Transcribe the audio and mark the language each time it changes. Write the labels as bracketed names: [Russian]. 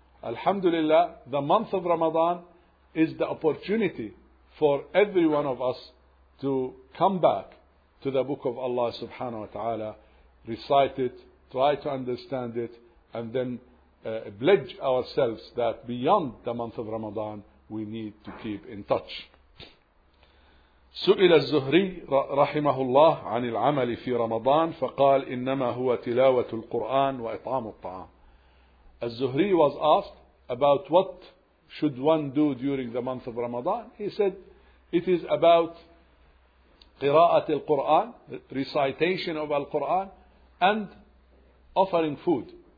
[English] Alhamdulillah, the month of Ramadan is the opportunity for every one of us to come back to the book of Allah subhanahu wa ta'ala, recite it, try to understand it, and then pledge ourselves that beyond the month of Ramadan, we need to keep in touch. [Arabic] سئل الزهري رحمه الله عن العمل في رمضان فقال إنما هو تلاوة القرآن وإطعام الطعام. [English] الزهري was asked about what should one do during the month of Ramadan. He said it is about [Arabic] قراءة القرآن, [English] recitation of Al-Quran, and offering food.